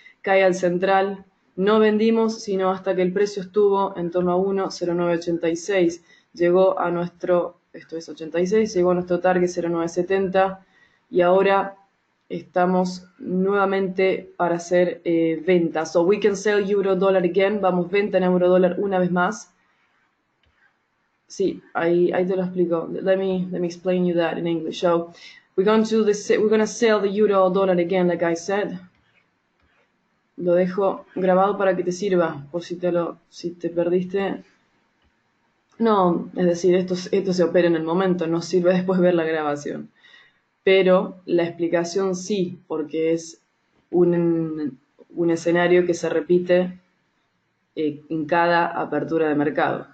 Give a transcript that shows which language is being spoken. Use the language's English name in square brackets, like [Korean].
[Spanish] cae al central, no vendimos sino hasta que el precio estuvo en torno a 1,0986, llegó a nuestro, esto es 86, llegó a nuestro target 0,970 y ahora estamos nuevamente para hacer ventas. [English] So we can sell euro dollar again. [Spanish] Vamos, venta en euro dólar una vez más. Sí, ahí te lo explico. [English] Let me explain you that in English. So we're gonna sell the euro dollar again, like I said. [Spanish] Lo dejo grabado para que te sirva, por si te perdiste. No, es decir, esto se opera en el momento, no sirve después ver la grabación. Pero la explicación sí, porque es un escenario que se repite en cada apertura de mercado.